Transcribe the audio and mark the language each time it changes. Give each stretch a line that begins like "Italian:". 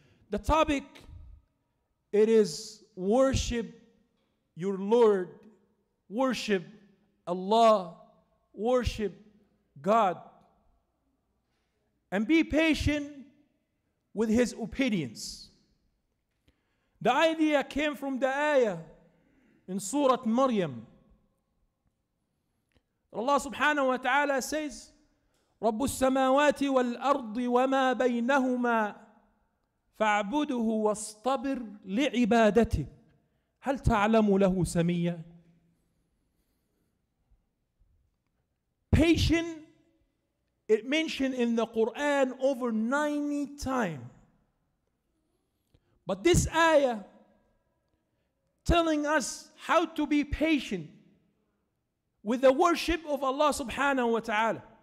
English: The topic, it is worship your Lord, worship Allah, worship God, and be patient with His obedience. The idea came from the ayah in Surah Maryam.
Arabic: Allah subhanahu wa ta'ala says, رب السماوات والأرض وما بينهما فاعبده واصطبر لعبادته هل تعلم له سميا.
English: Patient, it mentioned in the Quran over 90 times. But this ayah telling us how to be patient with the worship of Allah subhanahu wa ta'ala.